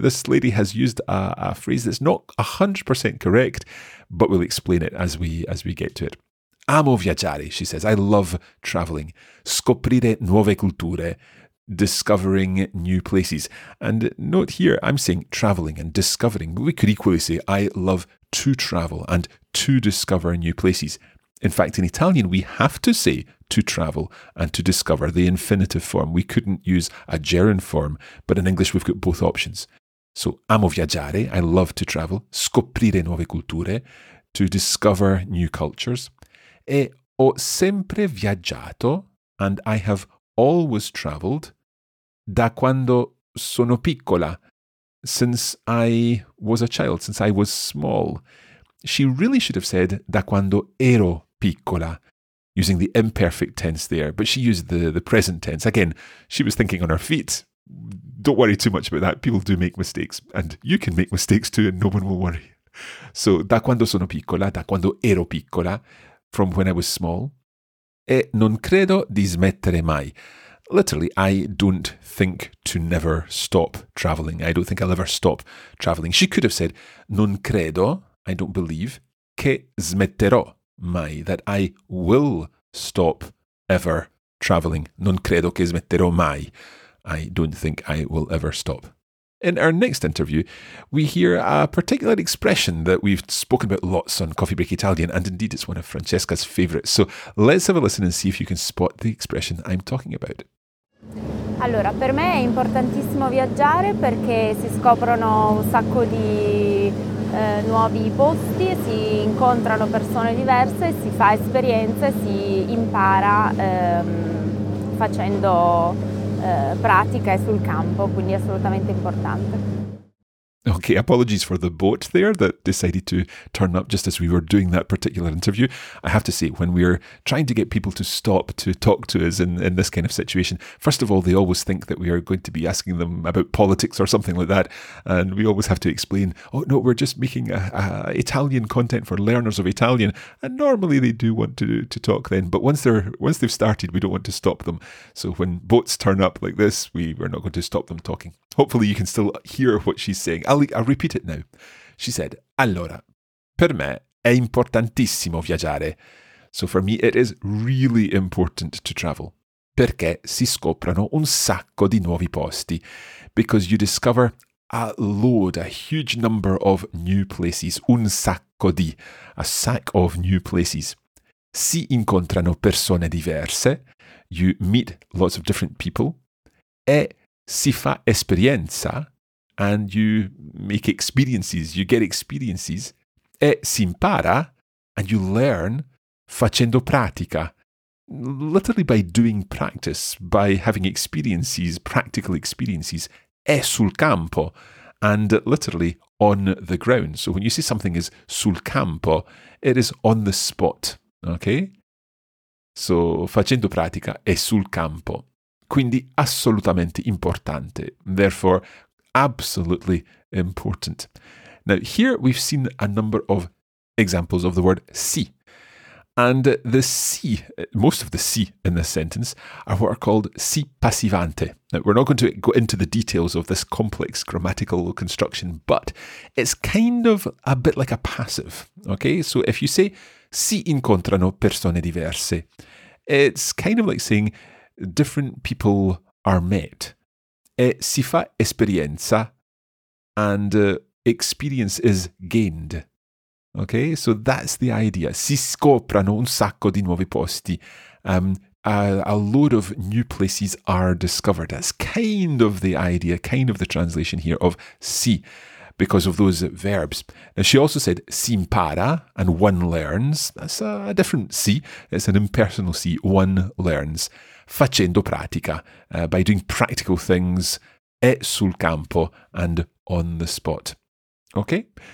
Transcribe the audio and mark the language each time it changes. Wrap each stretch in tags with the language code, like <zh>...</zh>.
<en>This lady has used a phrase that's not 100% correct, but we'll explain it as we get to it.</en> <it>Amo viaggiare,</it> <en>she says. I love travelling.</en> <it>Scoprire nuove culture.</it> <en>Discovering new places. And note here, I'm saying travelling and discovering, but we could equally say I love to travel and to discover new places. In fact, in Italian, we have to say to travel and to discover, the infinitive form. We couldn't use a gerund form, but in English, we've got both options. So,</en> <it>amo viaggiare,</it> <en>I love to travel,</en> <it>scoprire nuove culture,</it> <en>to discover new cultures.</en> <it>E ho sempre viaggiato,</it> <en>and I have always traveled,</en> <it>da quando sono piccola,</it> <en>since I was a child, since I was small. She really should have said,</en> <it>da quando ero piccola,</it> <en>using the imperfect tense there, but she used the present tense. Again, she was thinking on her feet. Don't worry too much about that. People do make mistakes, and you can make mistakes too, and no one will worry.</en> <it>So, da quando sono piccola, da quando ero piccola,</it> <en>from when I was small.</en> <it>E non credo di smettere mai.</it> <en>Literally, I don't think to never stop traveling. I don't think I'll ever stop traveling. She could have said,</en> <it>non credo,</it> <en>I don't believe,</en> <it>che smetterò mai,</it> <en>that I will stop ever traveling.</en> <it>Non credo che smetterò mai.</it> <en>I don't think I will ever stop. In our next interview, we hear a particular expression that we've spoken about lots on Coffee Break Italian, and indeed it's one of Francesca's favourites. So let's have a listen and see if you can spot the expression I'm talking about.</en> <it>Allora, per me è importantissimo viaggiare perché si scoprono un sacco di nuovi posti, si incontrano persone diverse, si fa esperienze, si impara facendo pratica sul campo, quindi assolutamente importante.</it> <en>Okay, apologies for the boat there that decided to turn up just as we were doing that particular interview. I have to say, when we're trying to get people to stop to talk to us in this kind of situation, first of all, they always think that we are going to be asking them about politics or something like that. And we always have to explain, oh no, we're just making a Italian content for learners of Italian. And normally they do want to talk then, but once they've started, we don't want to stop them. So when boats turn up like this, we're not going to stop them talking. Hopefully you can still hear what she's saying. I'll repeat it now. She said,</en> <it>allora, per me è importantissimo viaggiare.</it> <en>So for me, it is really important to travel.</en> <it>Perché si scoprono un sacco di nuovi posti.</it> <en>Because you discover a load, a huge number of new places.</en> <it>Un sacco di,</it> <en>a sack of new places.</en> <it>Si incontrano persone diverse.</it> <en>You meet lots of different people.</en> <it>E si fa esperienza,</it> <en>and you make experiences, you get experiences.</en> <it>E si impara,</it> <en>and you learn</en> <it>facendo pratica,</it> <en>literally by doing practice, by having experiences, practical experiences.</en> <it>E sul campo,</it> <en>and literally on the ground. So when you say something is sul campo, it is on the spot, okay?</en> <it>So facendo pratica e sul campo. Quindi assolutamente importante,</it> <en>therefore absolutely important. Now here we've seen a number of examples of the word si. And the si, most of the si in this sentence, are what are called si passivante. Now we're not going to go into the details of this complex grammatical construction, but it's kind of a bit like a passive, okay? So if you say</en> <it>si incontrano persone diverse,</it> <en>it's kind of like saying different people are met.</en> <it>E si fa esperienza,</it> <en>and experience is gained. Okay, so that's the idea.</en> <it>Si scoprono un sacco di nuovi posti.</it> <en>A load of new places are discovered. That's kind of the idea, kind of the translation here of si, because of those verbs. Now she also said</en> <it>si impara,</it> <en>and one learns. That's a different si. It's an impersonal si, one learns.</en> <it>Facendo pratica,</it> <en>by doing practical things,</en> <it>e sul campo,</it> <en>and on the spot. Okay?</en>